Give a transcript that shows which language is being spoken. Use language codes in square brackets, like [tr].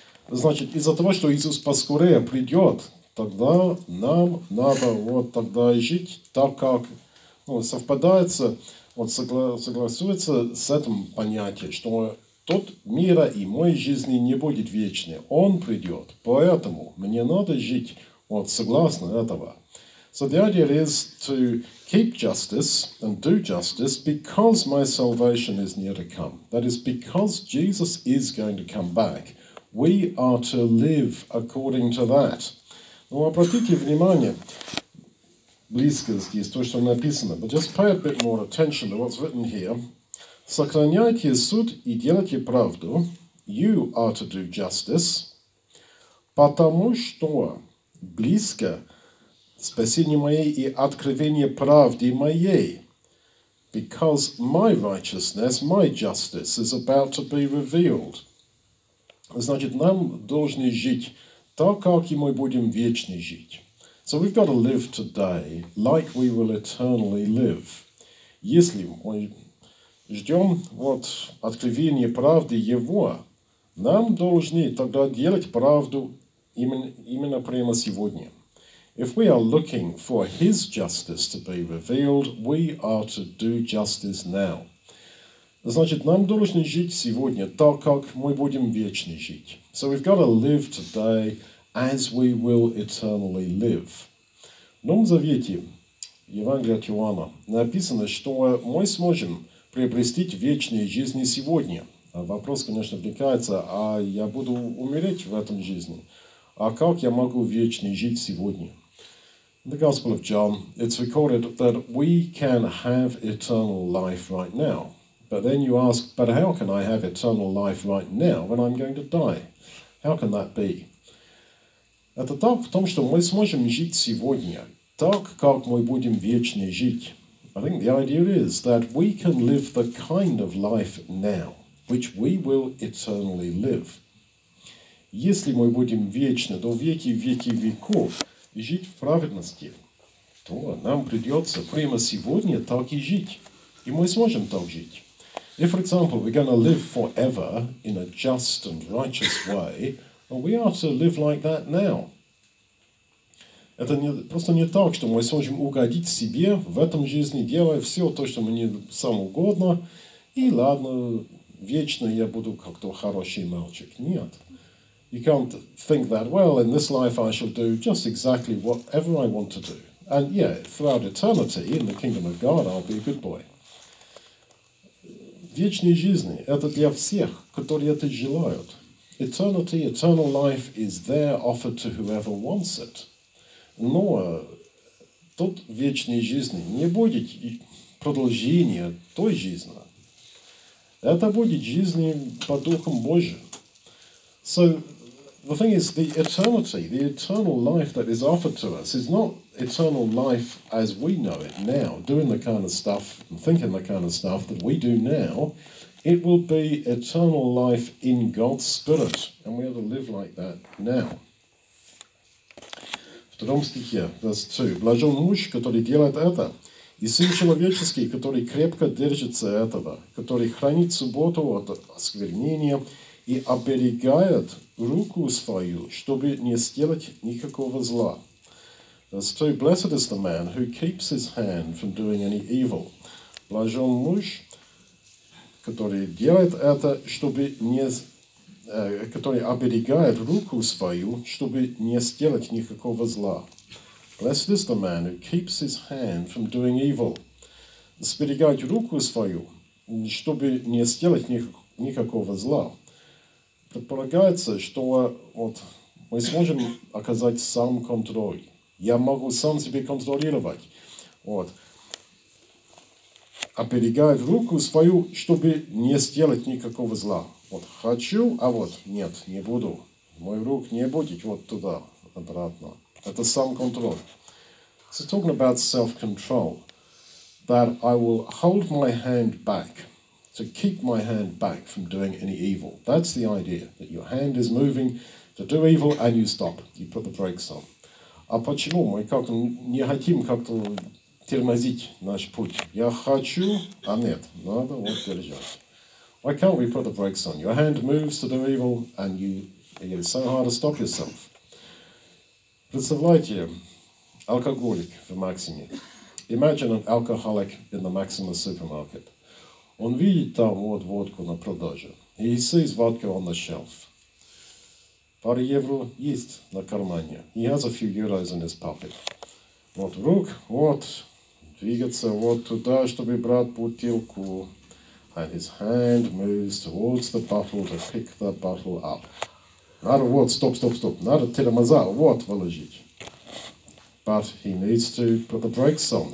[ru] Значит, из-за того, что Иисус поскорее придет, тогда нам надо вот тогда жить так, как совпадается, вот согласуется с этим понятием, что тот мира и моей жизни не будет вечны, он придет. Поэтому мне надо жить вот согласно этого. [en] So the idea is to keep justice and do justice because my salvation is near to come. That is, because Jesus is going to come back, we are to live according to that. [ru] Ну, обратите внимание, близко здесь то, что написано. [en] But just pay a bit more attention to what's written here. [ru] Сохраняйте суть и делайте правду. [en] You are to do justice. [ru] Потому что близко спасение мое и откровение правды моей. [en] Because my righteousness, my justice is about to be revealed. [ru] Значит, нам должны жить так, как и мы будем вечно жить. [en] So we've got to live today like we will eternally live. [ru] Если мы ждем вот откровение правды Его, нам должны тогда делать правду именно прямо сегодня. [en] If we are looking for His justice to be revealed, we are to do justice now. [ru] Значит, нам должны жить сегодня так, как мы будем вечно жить. [en] So we've got to live today as we will eternally live. [ru] В Новом Завете, Евангелие от Иоанна, написано, что мы сможем приобрести вечные жизни сегодня. Вопрос, конечно, вникается, а я буду умереть в этом жизни? А как я могу вечно жить сегодня? [en] In the Gospel of John, it's recorded that we can have eternal life right now. But then you ask, but how can I have eternal life right now when I'm going to die? How can that be? [ru] Это так, потому что мы сможем жить сегодня так, как мы будем вечно жить. [en] I think the idea is that we can live the kind of life now, which we will eternally live. [ru] Если мы будем вечно, до веки, веки, веков, жить в праведности, то нам придется прямо сегодня так и жить. И мы сможем так жить. [en] If, for example, we're going to live forever in a just and righteous way, well, we are to live like that now. [ru] Это не, просто не так, что мы сможем угодить себе в этом жизни, делая все то, что мне самоугодно, и ладно, вечно я буду как-то хороший мальчик. Нет. [en] You can't think that, well, in this life I shall do just exactly whatever I want to do. And yeah, throughout eternity, in the kingdom of God, I'll be a good boy. [ru] Вечной жизни – это для всех, которые это желают. [en] Eternity, eternal life is there offered to whoever wants it. [ru] Но тот вечной жизни не будет продолжения той жизни. Это будет жизнь по Духом Божьим. [en] So, the thing is, the eternity, the eternal life that is offered to us is not eternal life as we know it now, doing the kind of stuff and thinking the kind of stuff that we do now. It will be eternal life in God's Spirit, and we have to live like that now. [ru] В втором стихе, [en] verse 2. [ru] Блажен муж, который делает это, и сын человеческий, который крепко держится этого, который хранит субботу от осквернения и оберегает руку свою, чтобы не сделать никакого зла. [en] Verse 2. Blessed is the man who keeps his hand from doing any evil. [ru] Блажен муж, который делает это, чтобы не, который оберегает руку свою, чтобы не сделать никакого зла. [en] Blessed is the man who keeps his hand from doing evil. [ru] Сберегает руку свою, чтобы не сделать никакого зла. Предполагается, что вот мы сможем оказать сам контроль. Я могу сам себе контролировать. Вот. Оберегает руку свою, чтобы не сделать никакого зла. Вот хочу, а вот нет, не буду. Мой рук не будет вот туда, обратно. Это сам контроль. [en] So talking about self-control, that I will hold my hand back. To keep my hand back from doing any evil. That's the idea, that your hand is moving to do evil and you stop. You put the brakes on. [ru] А почему мы как-то не хотим как-то тормозить наш путь? Я хочу, а нет, надо вот держать. [en] Why can't we put the brakes on? Your hand moves to do evil, and it's so hard to stop yourself. [ru] Представляете, алкоголик в Максиме. [en] Imagine an alcoholic in the Maximus supermarket. [ru] Он видит там вот водку на продаже. [en] He sees vodka on the shelf. [ru] Пару евро есть на кармане. [en] He has a few euros in his pocket. [ru] Вот рук, вот, двигаться вот туда, чтобы брать бутылку. [en] And his hand moves towards the bottle to pick the bottle up. [ru] Надо вот, стоп. Надо тормоза, вот, выложить. [en] But he needs to put the brakes on.